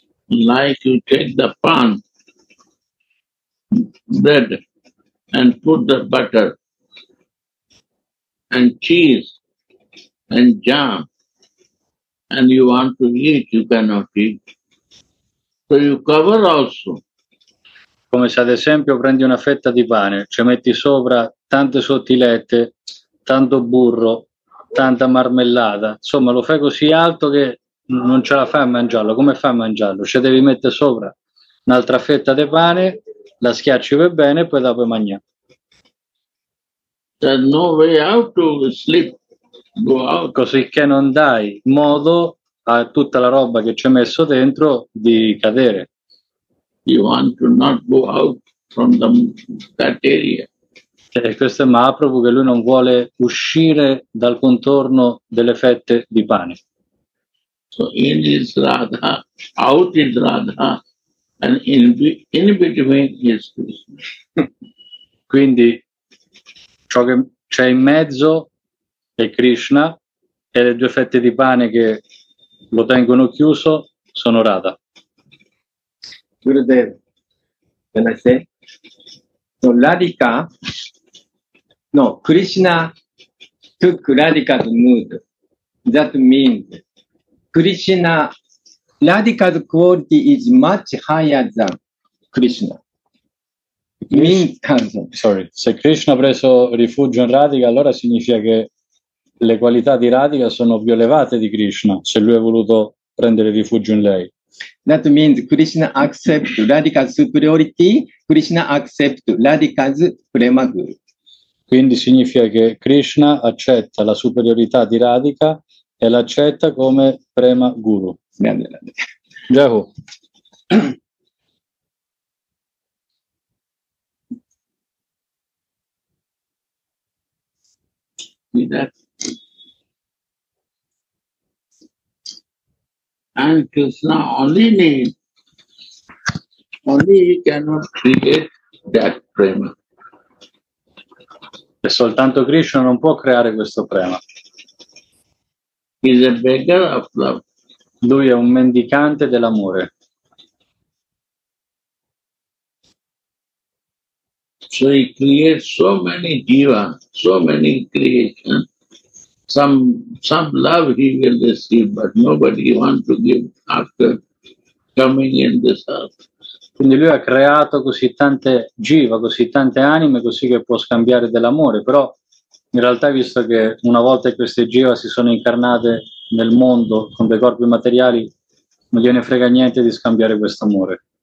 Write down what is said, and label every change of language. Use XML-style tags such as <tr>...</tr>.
<en>Like you take the pan, bread, and put the butter and cheese and jam, and you want to eat, you cannot eat. So you cover also.</en> <it>Come se ad esempio prendi una fetta di pane, ci metti sopra tante sottilette, tanto burro, tanta marmellata, insomma lo fai così alto che non ce la fai a mangiarlo. Come fai a mangiarlo? Ci devi mettere sopra un'altra fetta di pane, la schiacci per bene e poi dopo mangiare.</it> <en>There's no way out to sleep. Go out.</en> <it>Così che non dai modo a tutta la roba che ci hai messo dentro di cadere.</it> <en>You want to not go out from the, that area.</en> <it>E questo è Mahaprabhu che lui non vuole uscire dal contorno delle fette di pane.</it> <en>So in is Radha, out is Radha, and in between is Krishna.</en> <it>Quindi ciò che c'è in mezzo è Krishna e le due fette di pane che lo tengono chiuso sono Radha.</it> <en>Gurudev, can I say? So Radhika, no, Krishna took Radhika's mood. That means Krishna, Radhika's quality is much higher than Krishna.</en> <it>Se Krishna ha preso rifugio in Radhika, allora significa che le qualità di Radhika sono più elevate di Krishna, se lui ha voluto prendere rifugio in lei.</it> <en>That means Krishna accept Radhika's superiority, Krishna accept Radhika's prema guru.</en> <it>Quindi significa che Krishna accetta la superiorità di Radhika e l'accetta come prema guru. Grande, grande. Jahu.</it> <en>And Krishna only need, only he cannot create that prema.</en> <it>E soltanto Krishna non può creare questo prema.</it> <en>He's a beggar of love.</en> <it>Lui è un mendicante dell'amore.</it> <en>So he creates so many jiva, so many creation. Some love he will receive, but nobody wants to give after coming in this earth.</en> <it>Quindi lui ha creato così tante jiva, così tante anime, così che può scambiare dell'amore. Però in realtà, visto che una volta queste jiva si sono incarnate nel mondo con dei corpi materiali, non gliene frega niente di scambiare questo amore.</it>